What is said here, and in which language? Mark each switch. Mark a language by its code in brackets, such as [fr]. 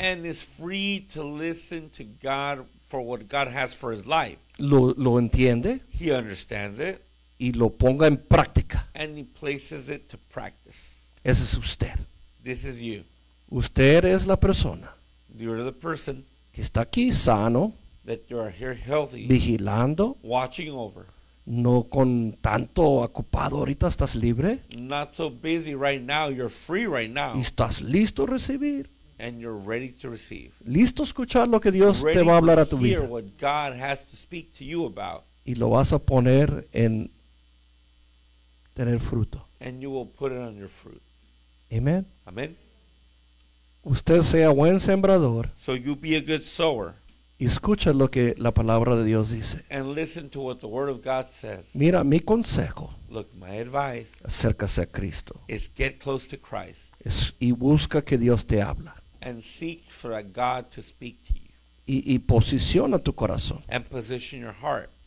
[en] And is free to listen to God for what God has for his life. [es] Lo entiende. [en] He understands it. [es] Y lo ponga en práctica. [en] And he places it to practice. [es] Ese es usted. [en] This is you. [es] Usted es la persona. [en] You're the person. [es] Que está aquí sano. [en] That you are here healthy. [es] Vigilando. [en] Watching over. [es] No con tanto ocupado ahorita estás libre. [en] Not so busy right now. You're free right now. [es] Y estás listo a recibir. [en] And you're ready to receive. [es] Listo escuchar lo que Dios te va a hablar a tu vida. [en] Ready to hear what God has to speak to you about. [es] Y lo vas a poner en tener fruto. [en] And you will put it on your fruit. [es] Amen. [en] Amen. [es] Usted sea buen sembrador. [en] So you be a good sower. [es] Y escucha lo que la palabra de Dios dice. [en] And listen to what the word of God says. [es] Mira, mi consejo. [en] Look, my advice. [es] Acércase a Cristo. [en] Is get close to Christ. [es] Y busca que Dios te habla. [en] And seek for a God to speak to you. [es] Y posiciona tu corazón. [en] And position your heart.